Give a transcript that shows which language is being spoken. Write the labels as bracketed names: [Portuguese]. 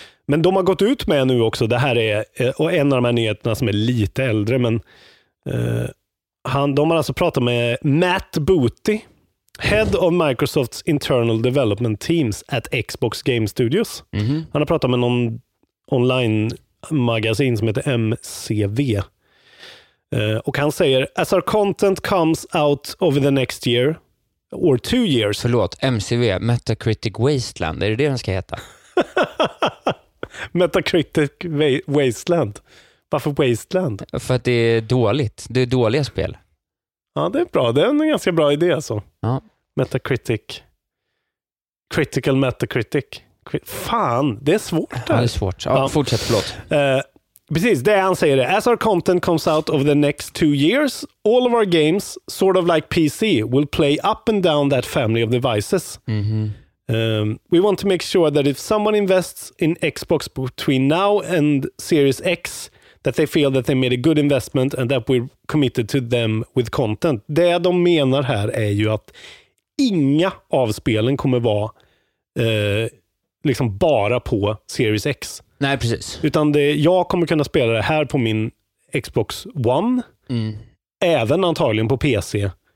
[Swedish] Men de har gått ut med nu också, det här är och en av de här nyheterna som är lite äldre, men de har alltså pratat med Matt Booty, [English] head of Microsofts internal development teams at Xbox Game Studios. Mm-hmm. [Swedish] Han har pratat med någon online-magasin som heter MCV. Och han säger, [English] as our content comes out over the next year, or 2 years. [Swedish] Förlåt, MCV, Metacritic Wasteland, är det den ska heta? Metacritic Wasteland. Varför Wasteland? För att det är dåligt. Det är dåliga spel. Ja, det är bra. Det är en ganska bra idé alltså. Ja. Metacritic. Critical Metacritic. Fan, det är svårt. Ja, det är svårt. Ja, ja. Fortsätt, förlåt. Precis, det är han säger det. [English] As our content comes out over the next 2 years, all of our games, sort of like PC, will play up and down that family of devices. Mm-hmm. We want to make sure that if someone invests in Xbox between now and Series X, that they feel that they made a good investment and that we're committed to them with content. [Swedish] Det de menar här är ju att inga av spelen kommer vara liksom bara på Series X. Nej, precis. Utan det, jag kommer kunna spela det här på min Xbox One, även antagligen på PC.